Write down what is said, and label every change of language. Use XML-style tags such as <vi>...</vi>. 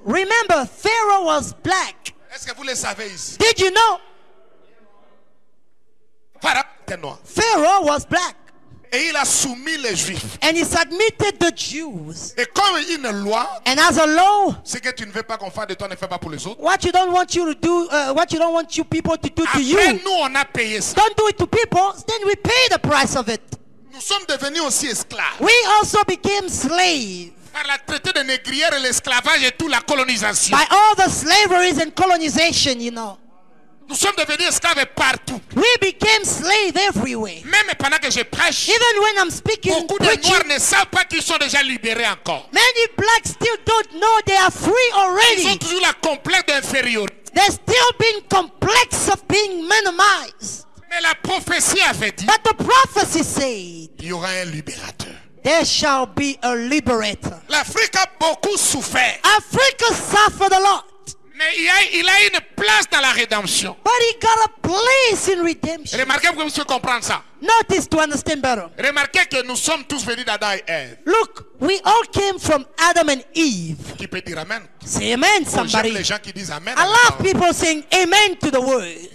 <en>Remember, Pharaoh was black.</en> <fr>Est-ce que vous le savez ici?</fr> <en>Did you know?</en> <fr>Pharaon était noir.</fr> <en>Pharaoh was black.</en> <fr>Et il a soumis les Juifs.</fr> <en>And he submitted the Jews.</en> <fr>Et comme une loi.</fr> <en>And as a law.</en> <fr>Ce que tu ne veux pas qu'on fasse de toi, ne fais pas pour les autres.</fr> <en>What you don't want you to do, what you don't want you people to do</en> <fr>après,</fr> <en>to you.</en> <fr>Après nous, on a payé ça.</fr> <en>Don't do it to people. Then we pay the price of it.</en> <fr>Nous sommes devenus aussi esclaves.</fr> <en>We also became slaves.</en> <fr>Par la traité de négrière, l'esclavage et tout la colonisation.</fr> <en>By all the slaveries and colonization, you know.</en> <fr>Nous sommes devenus esclaves partout.</fr> <en>We became slaves everywhere.</en> <fr>Même pendant que je prêche.</fr> <en>Even when I'm speaking,</en> <fr>beaucoup de noirs ne savent pas qu'ils sont déjà libérés encore.</fr> <en>Many blacks still don't know they are free already.</en> <fr>Ils ont toujours la complexe d'infériorité.</fr> <en>They're still being complex of being minimized.</en> <fr>Mais la prophétie avait dit.</fr> <en>But the prophecy said.</en> <fr>Il y aura un libérateur.</fr> <en>There shall be a liberator.</en> <fr>L'Afrique a beaucoup souffert.</fr> <en>Africa suffered a lot.</en> <fr>Mais il a une place dans la rédemption.</fr> <en>But he got a place in redemption.</en> <fr>Remarquez que vous pouvez comprendre ça.</fr> <en>Notice to understand better.</en> <fr>Remarquez que nous sommes tous venus d'Adam et Ève.</fr> <en>Look, we all came from Adam and Eve.</en> <fr>Qui peut dire amen?</fr> <en>Say amen, somebody.</en> <fr>J'aime les gens qui disent amen.</fr> <en>I love people saying amen to the word.</en>